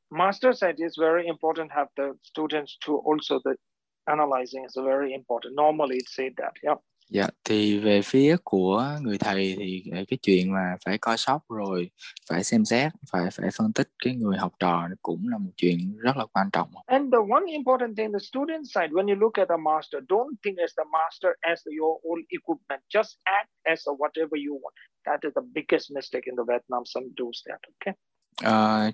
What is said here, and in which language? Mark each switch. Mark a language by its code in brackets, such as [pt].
[en] Master side is very important have the students to also the analyzing is very important. Normally it said that. Yeah. [vi] Yeah, thì về phía của người thầy thì cái chuyện mà phải coi sóc rồi phải xem xét, phải phân tích cái người học trò cũng là một chuyện rất là quan trọng. [en] And the one important thing the student side when you look at the master, don't think as the master as your own equipment, just act as whatever you want. That is the biggest mistake in the Vietnam some do that, okay?